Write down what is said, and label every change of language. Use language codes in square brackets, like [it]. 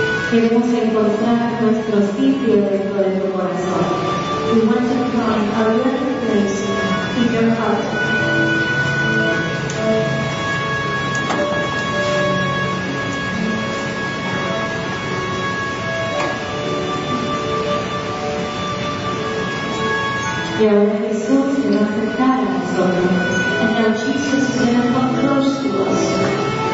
[es] Queremos encontrar nuestro sitio dentro de tu corazón. [en] We want to find our little place in your heart. [es] Y ahora Jesús se va a acercar a nosotros. [en] And now Jesus is going to come close to us.